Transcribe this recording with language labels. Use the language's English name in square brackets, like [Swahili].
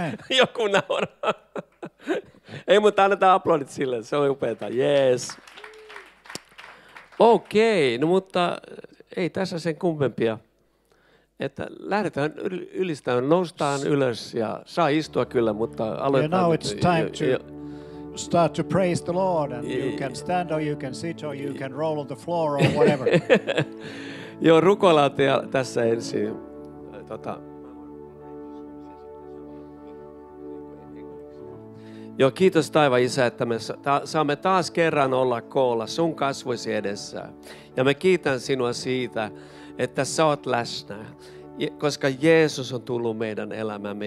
[Finnish] Joku nauraa. Ei, mutta annetaan aplodit sille, se on upeeta. Jees. Okei, no mutta ei tässä sen kummempia. Että lähdetään ylistämään, noustaan ylös ja saa istua kyllä, mutta aloitetaan. [English] Yeah, now it's time to start to praise the Lord and you can stand or you can sit or you can roll on the floor or whatever. [Finnish] Joo, rukoillaan tässä ensin. Joo, kiitos taivaan Isä, että me saamme taas kerran olla koolla sun kasvoisi edessä. Ja me kiitän sinua siitä, että sä oot läsnä, koska Jeesus on tullut meidän elämämme.